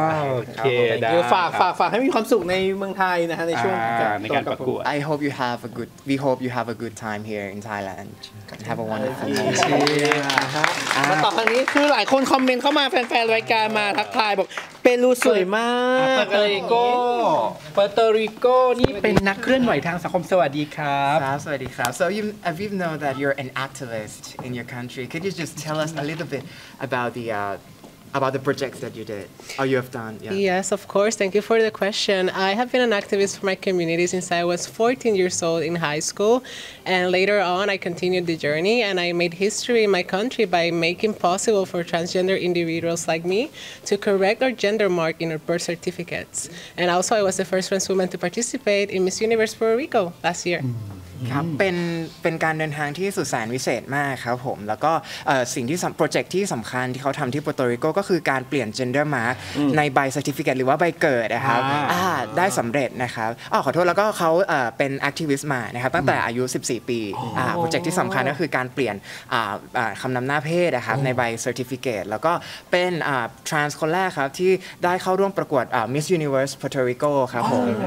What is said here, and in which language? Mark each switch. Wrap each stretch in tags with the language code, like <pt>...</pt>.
<th>โอเคฝากให้มีความสุขในเมืองไทยนะฮะในช่วง การประกวด</th> <en>I hope you have a good we hope you have a good time here in Thailand have a wonderful</en> <th>day ครับต่อทางนี้คือหลายคนคอมเมนต์เข้ามาแฟนๆรายการมาทักทายบอกเปรูสวยมาก เปอร์ริโกเปอร์โตริโกนี่เป็นนักเคลื่อนไหวทางสังคมสวัสดีครับ ครับสวัสดีครับ</th> <en>so you have you know that you're an activist in your country could you just tell us a little bit about the projects that you did or you have done yeah. yes of course thank you for the question I have been an activist for my community since I was 14 years old in high school and later on I continued the journey and I made history in my country by making possible for transgender individuals like me to correct their gender mark in their birth certificates and also I was the first trans woman to participate in Miss Universe Puerto Rico last year mm.</en> <th>ครับเป็นการเดินทางที่สุดแสนวิเศษมากครับผมแล้วก็สิ่งที่โปรเจกต์ที่สำคัญที่เขาทำที่ปอร์โตริโกก็คือการเปลี่ยนเจนเดอร์มาร์กในใบเซอร์ติฟิเคทหรือว่าใบเกิดนะครับได้สำเร็จนะครับอ๋อขอโทษแล้วก็เขาเป็นแอคทิวิสต์มานะครับตั้งแต่อายุ14ปีโปรเจกต์ที่สำคัญก็คือการเปลี่ยนคำนำหน้าเพศนะครับในใบเซอร์ติฟิเคทแล้วก็เป็นทรานส์คนแรกครับที่ได้เข้าร่วมประกวดมิสยูนิเวอร์สปอร์โตริโกครับผม</th>